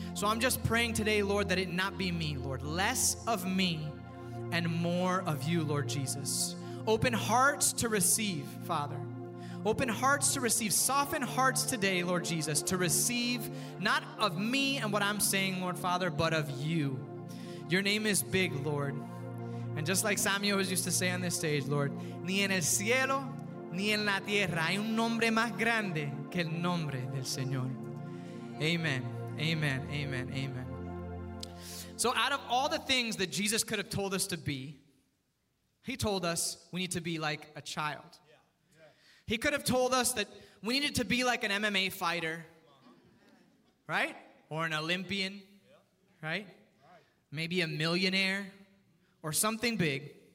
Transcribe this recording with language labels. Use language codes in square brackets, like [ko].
[en] So I'm just praying today, Lord, that it not be me, Lord. Less of me and more of you, Lord Jesus. Open hearts to receive, Father. Open hearts to receive. Soften hearts today, Lord Jesus, to receive not of me and what I'm saying, Lord Father, but of you. Your name is big, Lord. And just like Samuel was used to say on this stage, Lord, [es] ni en el cielo ni en la tierra hay un nombre más grande que el nombre del Señor. [en] Amen, amen, amen, amen. So out of all the things that Jesus could have told us to be, he told us we need to be like a child. He could have told us that we needed to be like an MMA fighter, right? Or an Olympian, right? Maybe a millionaire or something big.